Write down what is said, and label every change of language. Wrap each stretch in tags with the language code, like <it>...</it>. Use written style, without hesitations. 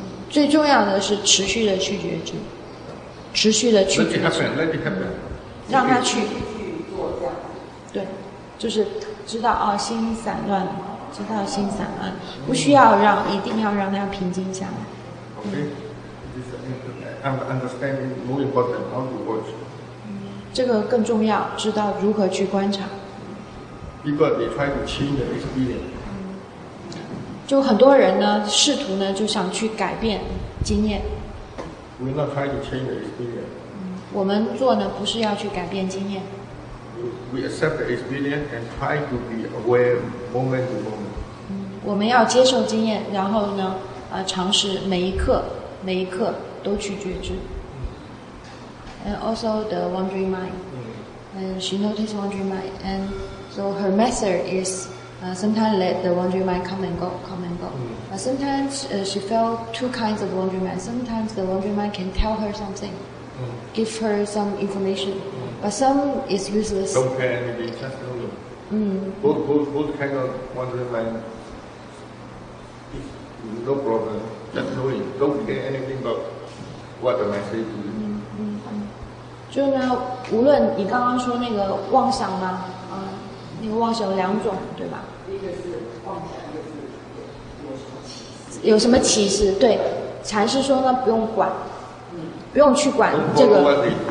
<zh>最重要的是持续的去觉知。持续的去觉知。</zh> <en>Let it happen.</en> <zh>让它去。对，就是知道心散乱，知道心散乱，不需要让，一定要让它平静下来。</zh> <en>Okay, this understanding more important how to watch.</en> <zh>这个更重要，知道如何去观察。</zh> <en>People they try to change the experience.</en> <zh>就很多人呢，试图呢就想去改变经验。</zh> <en>We not try to change the experience.</en> <zh>我们做呢不是要去改变经验。</zh> <en>We accept the experience and try to be aware moment to moment.</en> <zh>我们要接受经验，然后呢，尝试每一刻，每一刻都去觉知。</zh> <en>And also the wandering mind. And she noticed wandering mind. And so her method is, sometimes let the wandering mind come and go. Sometimes she felt two kinds of wandering mind. Sometimes the wandering mind can tell her something, give her some information. But some is useless. Don't care anything, just know them. Both kind of wandering mind is no problem. Just know it. Don't care anything about what the mind says to you.</en> <zh>就是呢，无论你刚刚说那个妄想嘛，那个妄想有两种，对吧？第一个是妄想，有什么歧视？对，禅师说呢，不用管，不用去管这个。</zh>